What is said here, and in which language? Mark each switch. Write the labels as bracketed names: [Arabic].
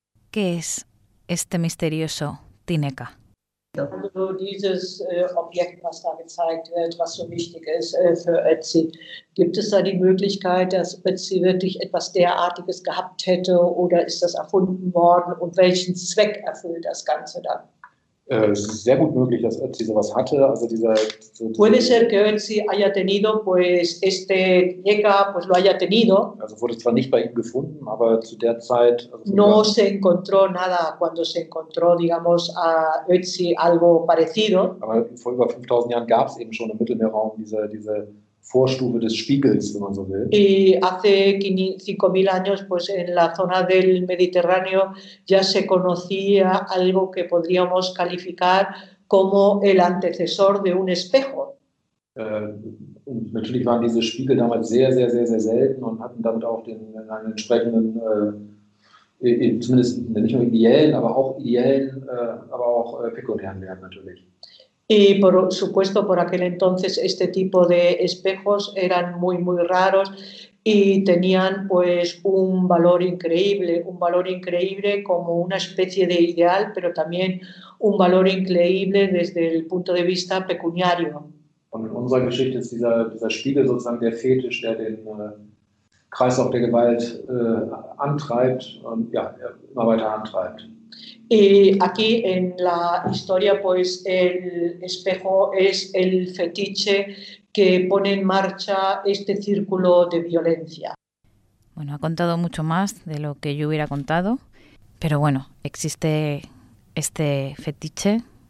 [Spanish] ¿Qué es este misterioso Tineka? [German] Dieses Objekt, was da gezeigt wird, was so wichtig ist für Ötzi, gibt es da die Möglichkeit, dass Ötzi wirklich etwas derartiges gehabt hätte oder ist das erfunden worden und welchen Zweck erfüllt das Ganze dann? Sehr gut möglich, dass Ötzi sowas hatte, also dieser [Spanish] Puede ser que Ötzi haya tenido pues este Tineka, pues lo haya tenido. [German] Also wurde zwar nicht bei ihm gefunden, aber zu der Zeit also [Spanish] no se encontró nada cuando se encontró, digamos, a Ötzi algo parecido. [German] Aber vor über 5000 Jahren gab es eben schon im Mittelmeerraum diese Vorstufe des Spiegels, wenn man so will. [Spanish] Y hace 5.000 años, pues en la zona del Mediterráneo ya se conocía algo que podríamos calificar como el antecesor de un espejo. [German] Und natürlich waren diese Spiegel damals sehr, sehr, sehr, sehr selten und hatten damit auch einen entsprechenden, zumindest nicht nur ideellen, aber auch pekuniären Wert natürlich. [Spanish] Y por supuesto, por aquel entonces este tipo de espejos eran muy, muy raros y tenían pues un valor increíble como una especie de ideal, pero también un valor increíble desde el punto de vista pecuniario. [German] Und in unserer Geschichte ist dieser Spiegel sozusagen der Fetisch, der den Kreislauf der Gewalt antreibt und ja, immer weiter antreibt. [Spanish] Y aquí en la historia, pues el espejo es el fetiche que pone en marcha este círculo de violencia. Bueno, ha contado mucho más de lo que yo hubiera contado, pero bueno, existe este fetiche